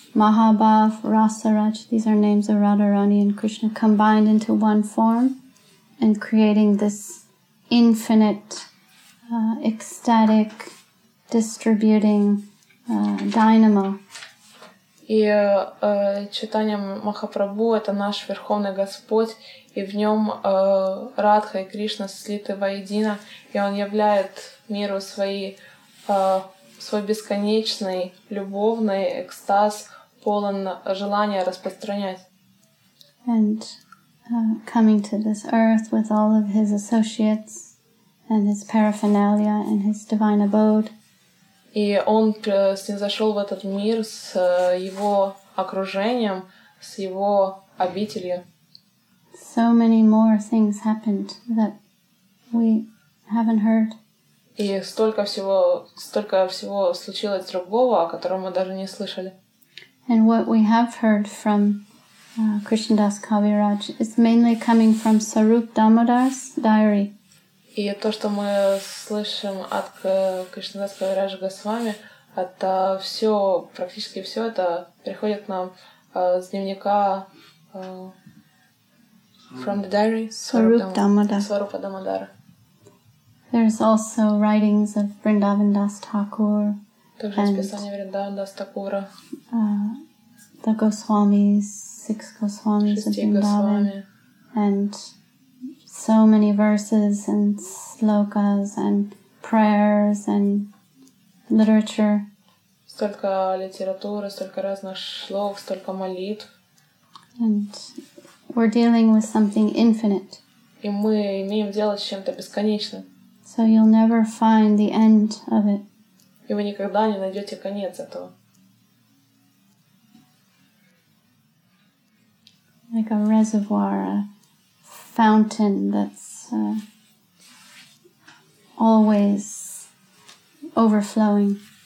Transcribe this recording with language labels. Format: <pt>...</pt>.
<en>Mahabhav, Rasaraj, these are names of Radharani and Krishna combined into one form and creating this infinite, ecstatic, distributing Dynamo.</en> <ru>И читанием Махапрабху это наш Верховный Господь, и в нем Радха и Кришна слиты воедино, и он являет миру свой бесконечный любовный экстаз, полон желания распространять.</ru> <en>And coming to this earth with all of his associates and his paraphernalia and his divine abode.</en> <ru>И он снизошел в этот мир с его окружением, с его обителью.</ru> <en>so many more things happened that we haven't heard.</en> <ru>И столько всего случилось другого, о котором мы даже не слышали.</ru> <en>And what we have heard from Krishnadas Kaviraj is mainly coming from Sarup Damodar's diary.</en> <ru>И то, что мы слышим от Кришнадас Кавираджа Госвами, это все, практически все это приходит к нам с дневника</ru> <en>from the diary Swarupa Damodara. There's also writings of Vrindavan Das Thakur.</en> <ru>Также есть писания Vrindavan Das Thakur.</ru> <en>The Goswamis, six Goswamis of Vrindavan. And so many verses and slokas and prayers and literature.</en> <ru>Столько литературы, столько разных шлок, столько молитв.</ru> <en>And we're dealing with something infinite.</en> <ru>И мы имеем дело с чем-то бесконечным.</ru> <en>So you'll never find the end of it.</en> <ru>И вы никогда не найдете конец этого.</ru> <en>Like a reservoir, a fountain that's always overflowing.</en>